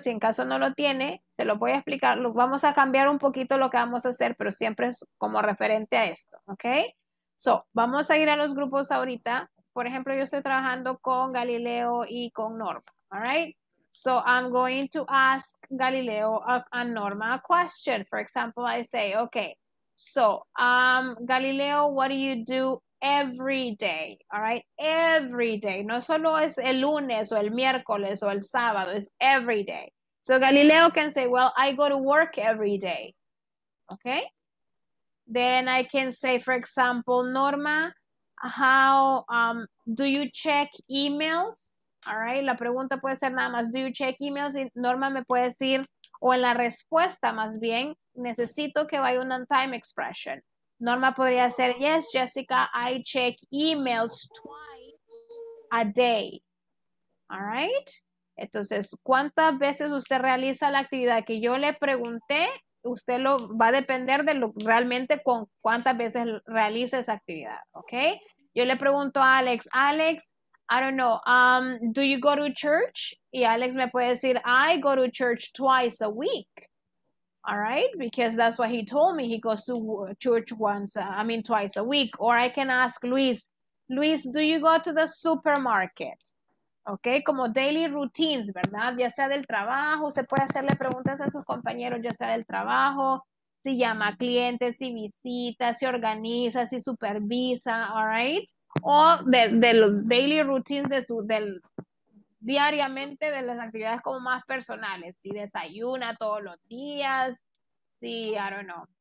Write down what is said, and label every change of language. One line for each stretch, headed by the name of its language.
Spanish: Si en caso no lo tiene, se lo voy a explicar. Vamos a cambiar un poquito lo que vamos a hacer, pero siempre es como referente a esto, okay? So, vamos a ir a los grupos ahorita. Por ejemplo, yo estoy trabajando con Galileo y con Norma, all right?
English: So I'm going to ask Galileo and Norma a question. For example, I say, okay, so Galileo, what do you do every day, all right? Every day.
Spanish: No solo es el lunes o el miércoles o el sábado,
English: it's every day. So Galileo can say, well, I go to work every day, okay? Then I can say, for example, Norma, how do you check emails?
Spanish: All right, la pregunta puede ser nada más,
English: do you check emails?
Spanish: Y Norma me puede decir, o en la respuesta más bien, necesito que vaya una time expression. Norma podría hacer,
English: yes, Jessica, I check emails twice a day.
Spanish: All right, entonces, ¿cuántas veces usted realiza la actividad que yo le pregunté? Usted lo va a depender de lo realmente con cuántas veces realiza esa actividad, okay? Yo le pregunto a Alex,
English: Alex, I don't know, do you go to church?
Spanish: Y Alex me puede decir,
English: I go to church twice a week, all right? Because that's what he told me, he goes to church twice a week. Or I can ask Luis, do you go to the supermarket?
Spanish: Okay, como daily routines, ¿verdad? Ya sea del trabajo, usted puede hacerle preguntas a sus compañeros, ya sea del trabajo, si llama clientes, si visita, si organiza, si supervisa, all right? O de los daily routines de su, del diariamente de las actividades como más personales, si desayuna todos los días, si,
English: I don't know.